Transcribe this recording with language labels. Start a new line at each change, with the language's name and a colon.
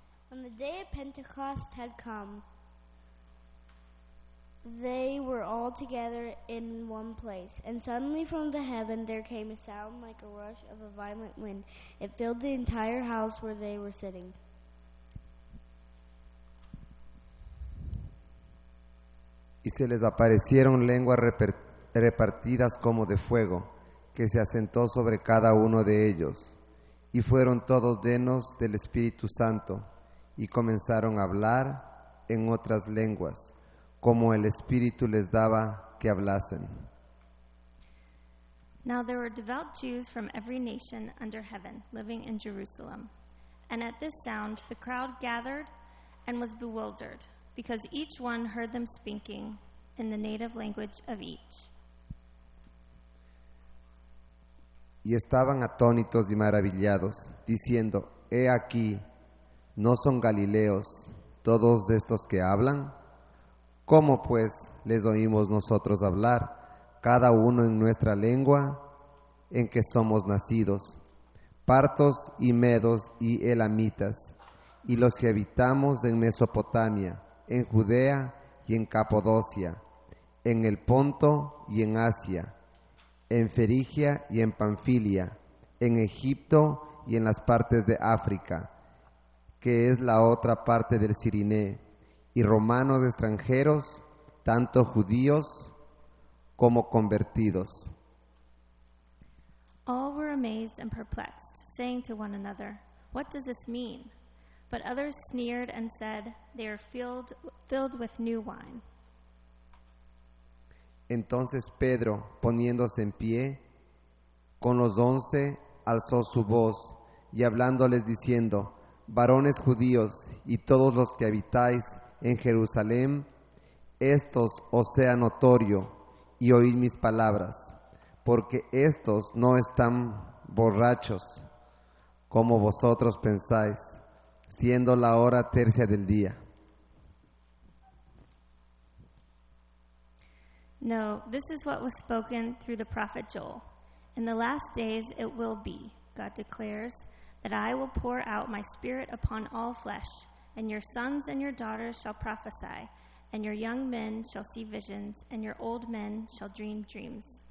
English: When the day of Pentecost had come, they were all together in one place. And suddenly from the heaven there came a sound like a rush of a violent wind. It filled the entire house where they were sitting.
Spanish: Y se les aparecieron lenguas repartidas como de fuego, que se asentó sobre cada uno de ellos. Y fueron todos llenos del Espíritu Santo. Y comenzaron a hablar en otras lenguas, como el Espíritu les daba que hablasen.
English: Now there were devout Jews from every nation under heaven, living in Jerusalem. And at this sound, the crowd gathered and was bewildered, because each one heard them speaking in the native language of each.
Spanish: Y estaban atónitos y maravillados, diciendo, he aquí, ¿no son galileos todos estos que hablan? ¿Cómo pues les oímos nosotros hablar, cada uno en nuestra lengua en que somos nacidos, partos y medos y elamitas, y los que habitamos en Mesopotamia, en Judea y en Capadocia, en el Ponto y en Asia, en Frigia y en Panfilia, en Egipto y en las partes de África, que es la otra parte del Siriné, y romanos extranjeros, tanto judíos como convertidos?
English: All were amazed and perplexed, saying to one another, what does this mean? But others sneered and said, they are filled with new wine.
Spanish: Entonces Pedro, poniéndose en pie, con los once alzó su voz, y hablándoles diciendo, varones judíos y todos los que habitáis en Jerusalén, estos os sea notorio, y oíd mis palabras, porque estos no están borrachos, como vosotros pensáis, siendo la hora tercia del día.
English: No, this is what was spoken through the prophet Joel. In the last days it will be, God declares, that I will pour out my spirit upon all flesh, and your sons and your daughters shall prophesy, and your young men shall see visions, and your old men shall dream dreams.